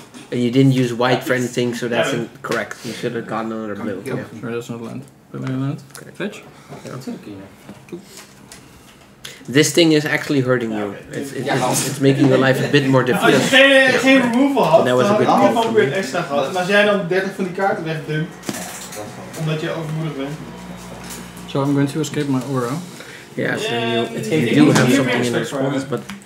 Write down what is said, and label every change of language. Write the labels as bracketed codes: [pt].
[en] and you didn't use white for anything, so that's incorrect. You should have gotten another blue. Yeah, sure, that's not land. But my land. Okay. Fetch. This thing is actually hurting you. It's making your life a bit more difficult. [nl] Als je geen removal had, dan had je ook weer extra gehad. En als jij dan 30 van die kaarten wegdumpt, omdat je overmoedig bent. [en] So I'm going to escape my aura. Yeah, so you do have something in response, but...